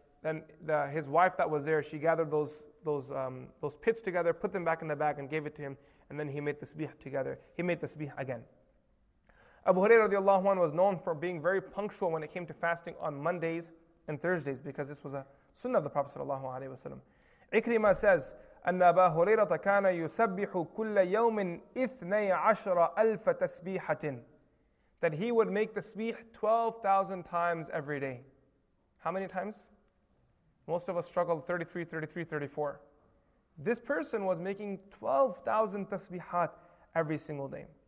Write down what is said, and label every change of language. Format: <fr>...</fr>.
<en>Then his wife that was there, she gathered those pits together, put them back in the bag and gave it to him. And then he made tasbih again. Abu Huraira radiallahu anhu was known for being very punctual when it came to fasting on Mondays and Thursdays, because this was a sunnah of the Prophet sallallahu alayhi wa sallam. Ikrimah says,</en> <ar>أَنَّ أَبَا هُرَيْرَةَ كَانَ يُسَبِّحُ كُلَّ يَوْمٍ 12,000 تَسْبِيحَةٍ.</ar> <en>That he would make tasbih 12,000 times every day. How many times? Most of us struggled 33, 33, 34. This person was making 12,000 tasbihat every single day.</en>